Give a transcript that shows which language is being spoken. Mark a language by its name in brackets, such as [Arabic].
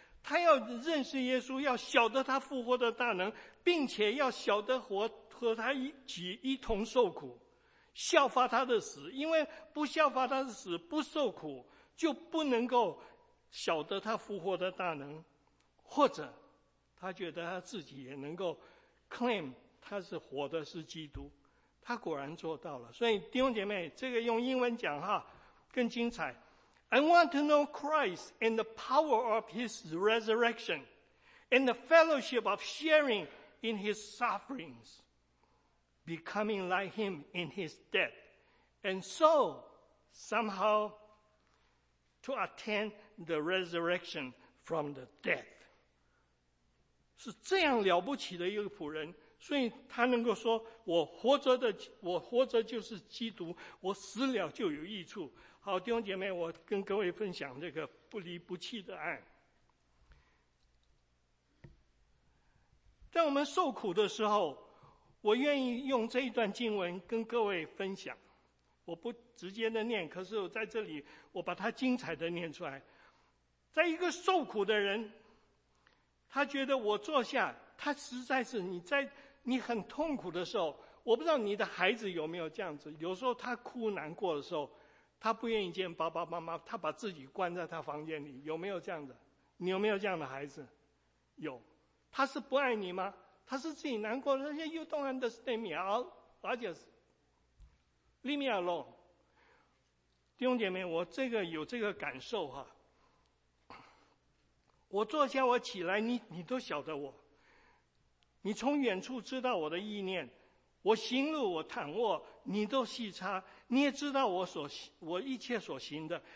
[Chinese] 他要认识耶稣，要晓得他复活的大能，并且要晓得和他一起一同受苦，效法他的死，因为不效法他的死，不受苦，就不能够晓得他复活的大能。或者他觉得他自己也能够 claim 他是活的，是基督。他果然做到了。所以弟兄姐妹，这个用英文讲哈更精彩。 [English] I want to know Christ and the power of his resurrection and the fellowship of sharing in his sufferings, becoming like him in his death, and so somehow to attain the resurrection from the death. [Chinese] 是这样了不起的一个仆人，所以他能够说，我活着就是基督，我死了就有益处。好，弟兄姐妹，我跟各位分享这个不离不弃的爱。在我们受苦的时候，我愿意用这一段经文跟各位分享。我不直接的念，可是我在这里我把它精彩的念出来。在一个受苦的人，他觉得我坐下，他实在是你很痛苦的时候，我不知道你的孩子有没有这样子，有时候他哭难过的时候，他不愿意见爸爸妈妈，他把自己关在他房间里，有没有这样子？你有没有这样的孩子？有。他是不爱你吗？他是自己难过的，他 [English] You don't understand me, I'll just leave me alone. [Chinese] 弟兄姐妹，我这个有这个感受哈。我坐下我起来，你都晓得我，你从远处知道我的意念，我行路我躺卧你都细察，你也知道我一切所行的。